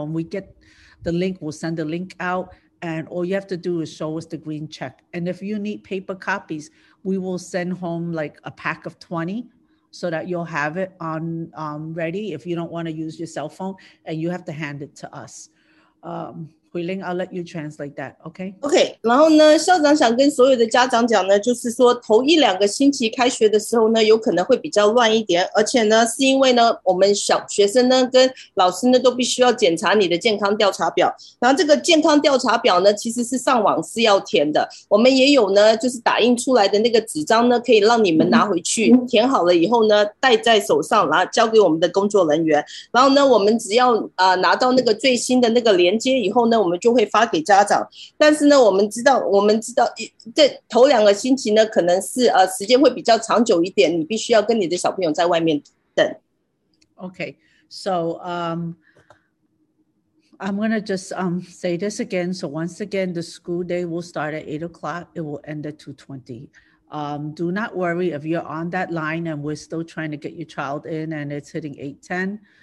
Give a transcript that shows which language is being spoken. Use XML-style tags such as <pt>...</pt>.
<en>When we get the link, we'll send the link out. And all you have to do is show us the green check. And if you need paper copies, we will send home like a pack of 20 so that you'll have it on ready if you don't want to use your cell phone and you have to hand it to us. Huiling, I'll let you translate that, okay?</en> <zh>Okay, 然后呢，校长想跟所有的家长讲呢，就是说头一两个星期开学的时候呢，有可能会比较乱一点，而且呢，是因为呢，我们小学生呢跟老师呢都必须要检查你的健康调查表，然后这个健康调查表呢，其实是上网是要填的，我们也有呢，就是打印出来的那个纸张呢，可以让你们拿回去，填好了以后呢，带在手上，然后交给我们的工作人员，然后呢，我们只要拿到那个最新的那个连接以后呢，我们就会发给家长，但是呢，我们知道，这头两个星期呢，可能是时间会比较长久一点，你必须要跟你的小朋友在外面等。</zh> <en>Okay, so I'm gonna just say this again. So once again, the school day will start at 8:00. It will end at 2:20. Do not worry if you're on that line and we're still trying to get your child in, and it's hitting 8:10.</en>